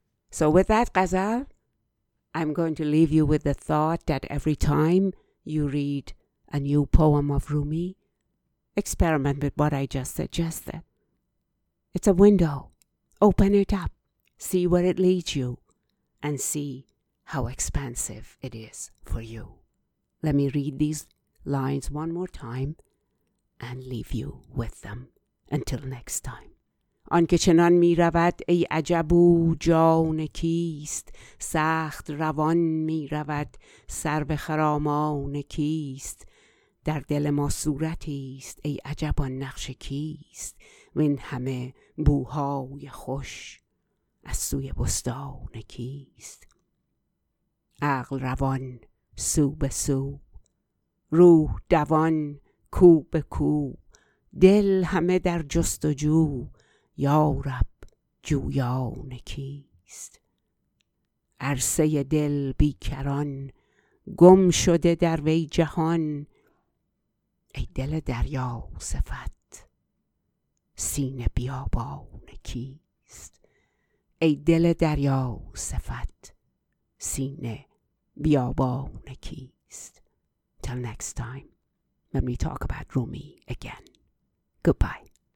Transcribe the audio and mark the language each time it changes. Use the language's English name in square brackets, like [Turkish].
[English] So with that, Ghazal, I'm going to leave you with the thought that every time you read a new poem of Rumi, experiment with what I just suggested. It's a window. Open it up. See where it leads you and see how expansive it is for you. Let me read these lines one more time and leave you with them until next time. [Persian] آن که چنان می رود ای عجبو جان کیست، سخت روان می رود سر به خرامان کیست، در دل ما صورتی است، ای عجب آن نقش کیست، وین همه بوهای خوش از سوی بستان کیست. عقل روان سو به سو، روح دوان کو به کو، دل همه در جست و جو، یارب جویان کیست. عرصه دل بیکران گم شده در وی جهان، ای دل دریا صفت سینه بیابان کیست. ای دل دریا صفت سینه بیابان کیست. [English] Till next time, when we talk about Rumi again. Goodbye.